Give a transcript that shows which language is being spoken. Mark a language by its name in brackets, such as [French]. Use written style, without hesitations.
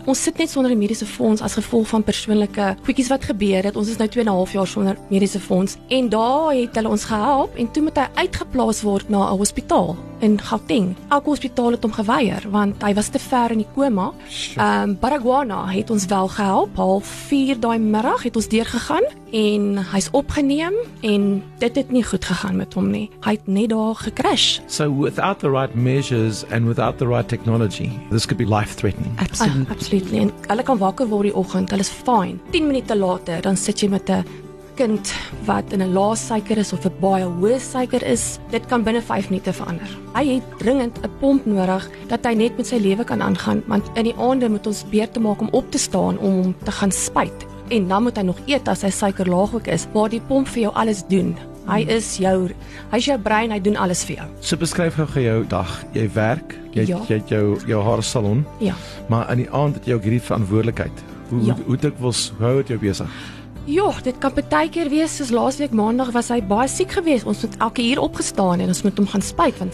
[Afrikaans] Ons sit net sonder die mediese fonds as gevolg van persoonlike goedjies wat gebeur het. Ons is nou 2.5 jaar sonder mediese fonds en daar het hulle ons gehelp en toe moet hy uitgeplaas word na 'n hospitaal in Gauteng. Elke hospitaal het hom geweier want hy was te ver in die koma. Baragwana het ons wel gehelp. 3:30 daai middag het ons deurgegaan en hy's opgeneem en dit het nie goed gegaan met hom nie. Hy het net daar gecrash. [English] So without the right measures and without the right technology, this could be life threatening. [Afrikaans] Absolutely. En hulle kan wakker word die oggend, hulle is fine. 10 minute later dan sit jy met 'n kind wat in 'n lae suiker is of 'n baie hoë suiker is, dit kan binne 5 minute verander. Hy het dringend 'n pomp nodig dat hy net met sy lewe kan aangaan, want in die aande moet ons beurt te maak om op te staan om hom te gaan spuit. En dan moet hy nog eet as sy suiker laag ook is, maar die pomp vir jou alles doen. Hy is jou brein, hy doen alles vir jou. So beskryf gou vir jou dag. Jy werk, jy het jou haarsalon. Ja. Maar in die aand het jy ook hierdie verantwoordelikheid. Hoe het jy besig? Ja, dit kan baie keer wees, soos laasweek maandag was hy baie siek geweest. Ons moet elke uur opgestaan en ons moet hom gaan spuit want